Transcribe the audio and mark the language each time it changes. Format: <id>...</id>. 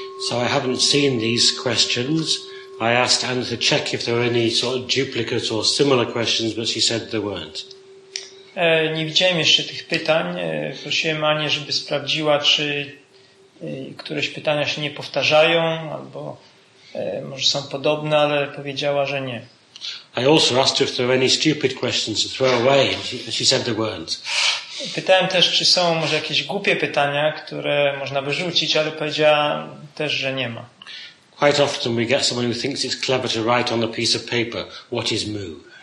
<en>haven't seen these questions. I asked Anna to check if there were any sort of duplicate or similar questions, but she said there weren't.</en> <pl>Nie widziałem jeszcze tych pytań. Prosiłem Anię, żeby sprawdziła, czy któreś pytania się nie powtarzają, albo może są podobne, ale powiedziała, że nie.</pl> <en>I also asked her if there were any stupid questions to throw away, and she said there weren't.</en> <pl>Pytałem też, czy są może jakieś głupie pytania, które można by rzucić, ale powiedziała też, że nie ma.</pl> <en>Quite often we get someone who thinks it's clever to write on a piece of paper, what is moo?</en>